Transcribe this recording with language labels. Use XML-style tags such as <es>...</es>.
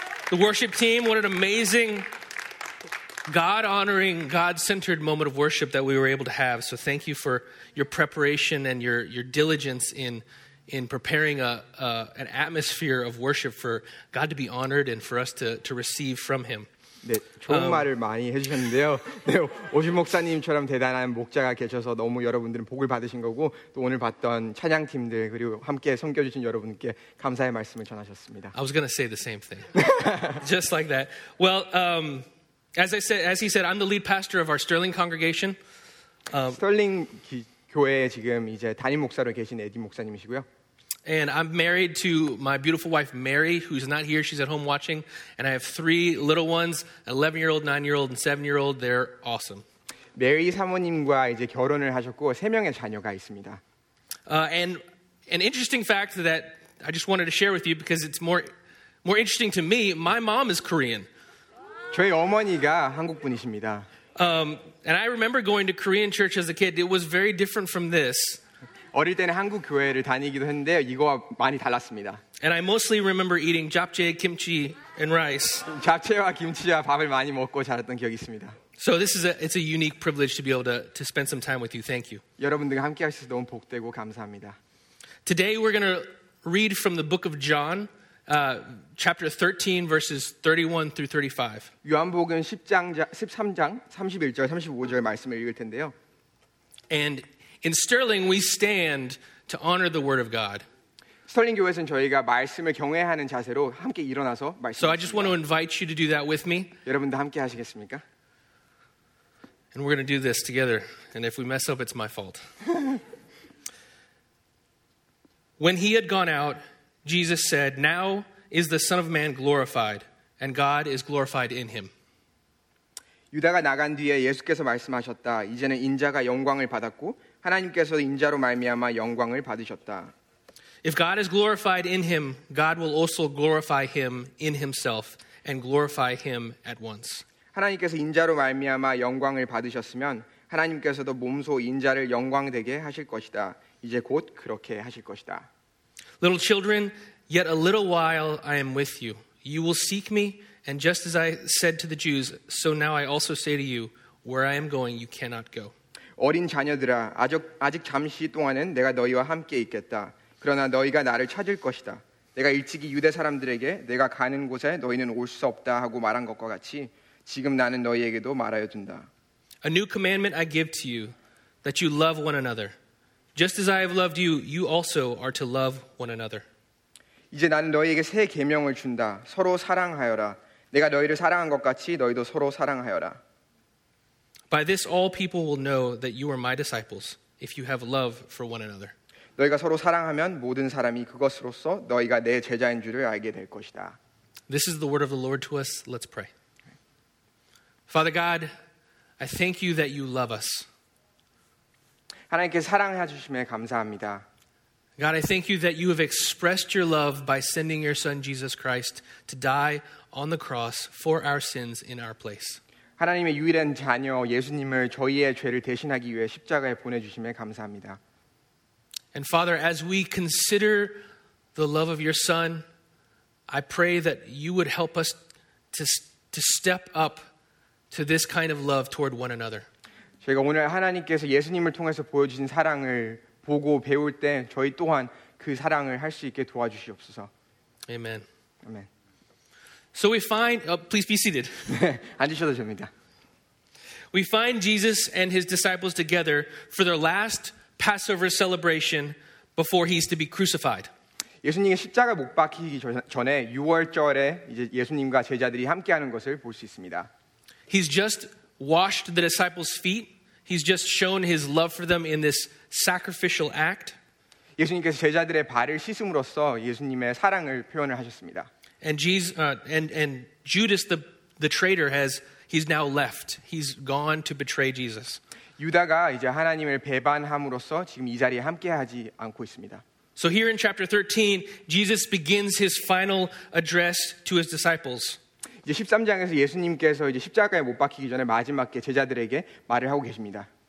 <en>The worship team, what an amazing, God-honoring, God-centered moment of worship that we were able to have. So thank you for your preparation and your diligence in preparing an atmosphere of worship for God to be honored and for us to receive from him.</en> <ko>네, 좋은 말을 많이 해주셨는데요. 네, 오신 목사님처럼 대단한 목자가 계셔서 너무 여러분들은 복을 받으신 거고 또 오늘 봤던 찬양팀들 그리고 함께 섬겨주신 여러분께 감사의 말씀을 전하셨습니다.</ko> <en>I was going to say the same thing. Just like that. Well, as he said, I'm the lead pastor of our Sterling congregation.</en> <ko>Sterling 교회에 지금 이제 담임 목사로 계신 에디 목사님이시고요.</ko> <en>And I'm married to my beautiful wife, Mary, who's not here. She's at home watching. And I have three little ones, 11-year-old, 9-year-old, and 7-year-old. They're awesome.</en> <ko>Mary 사모님과 이제 결혼을 하셨고 세 명의 자녀가 있습니다.</ko> <en>And an interesting fact that I just wanted to share with you because it's more interesting to me, my mom is Korean.</en> <ko>저희 어머니가 한국 분이십니다.</ko> <en>And I remember going to Korean church as a kid. It was very different from this.</en> <ko>어릴 때는 한국 교회를 다니기도 했는데 이거와 많이 달랐습니다.</ko> <en>And I mostly remember eating japchae, kimchi, and rice.</en> <ko>잡채와 김치와 밥을 많이 먹고 자랐던 기억이 있습니다.</ko> <en>So this is it's a unique privilege to be able to spend some time with you. Thank you.</en> <ko>여러분들과 함께 할 수 있어서 너무 복되고 감사합니다.</ko> <en>Today we're going to read from the book of John, chapter 13, verses 31 through 35.</en> <ko>요한복음 13장 31절 35절 말씀을 읽을 텐데요.</ko> <en>And in Sterling, we stand to honor the word of God.</en> <ko>Sterling 교회에서는 저희가 말씀을 경외하는 자세로 함께 일어나서 말씀.</ko> <en>So I just want to invite you to do that with me.</en> <ko>여러분도 함께 하시겠습니까?</ko> <en>And we're going to do this together. And if we mess up, it's my fault. When he had gone out, Jesus said, "Now is the Son of Man glorified, and God is glorified in him."</en> <ko>유다가 나간 뒤에 예수께서 말씀하셨다. 이제는 인자가 영광을 받았고 하나님께서 인자로 말미암아 영광을 받으셨다.</ko> <en>If God is glorified in him, God will also glorify him in himself and glorify him at once.</en> <ko>하나님께서 인자로 말미암아 영광을 받으셨으면 하나님께서도 몸소 인자를 영광되게 하실 것이다. 이제 곧 그렇게 하실 것이다.</ko> <en>Little children, yet a little while I am with you. You will seek me, and just as I said to the Jews, so now I also say to you, where I am going, you cannot go.</en> <ko>어린 자녀들아, 아직 잠시 동안은 내가 너희와 함께 있겠다. 그러나 너희가 나를 찾을 것이다. 내가 일찍이 유대 사람들에게 내가 가는 곳에 너희는 올 수 없다 하고 말한 것과 같이 지금 나는 너희에게도 말하여 준다.</ko> <en>A new commandment I give to you, that you love one another. Just as I have loved you, you also are to love one another.</en> <ko>이제 나는 너희에게 새 계명을 준다. 서로 사랑하여라. 내가 너희를 사랑한 것 같이 너희도 서로 사랑하여라.</ko> <en>By this all people will know that you are my disciples if you have love for one another.</en> <ko>너희가 서로 사랑하면 모든 사람이 그것으로써 너희가 내 제자인 줄을 알게 될 것이다.</ko> <en>This is the word of the Lord to us. Let's pray. Father God, I thank you that you love us.</en> <ko>하나님께 사랑해 주심에 감사합니다.</ko> <en>God, I thank you that you have expressed your love by sending your son Jesus Christ to die on the cross for our sins in our place.</en> <ko>하나님의 유일한 자녀 예수님을 저희의 죄를 대신하기 위해 십자가에 보내주심에 감사합니다.</ko> <en>And Father, as we consider the love of your Son, I pray that you would help us to step up to this kind of love toward one another.</en> <ko>저희가 오늘 하나님께서 예수님을 통해서 보여주신 사랑을 보고 배울 때 저희 또한 그 사랑을 할 수 있게 도와주시옵소서.</ko> <en>Amen. Amen. So we find, please be seated.</en> <ko>앉으셔도 됩니다.</ko> <en>We find Jesus and his disciples together for their last Passover celebration before he's to be crucified.</en> <ko>예수님이 십자가 못 박히기 전에 유월절에 이제 예수님과 제자들이 함께하는 것을 볼 수 있습니다.</ko> <en>He's just washed the disciples' feet. He's just shown his love for them in this sacrificial act.</en> <ko>예수님께서 제자들의 발을 씻음으로써 예수님의 사랑을 표현을 하셨습니다.</ko> <en>And Jesus and Judas the traitor he's now left. He's gone to betray Jesus.</en> <ko>유다가 이제 하나님을 배반함으로써 지금 이 자리에 함께 하지 않고 있습니다.</ko> <en>So here in chapter 13, Jesus begins his final address to his disciples.</en> <ko>이제 13장에서 예수님께서 이제 십자가에 못 박히기 전에 마지막에 제자들에게 말을 하고 계십니다.</ko>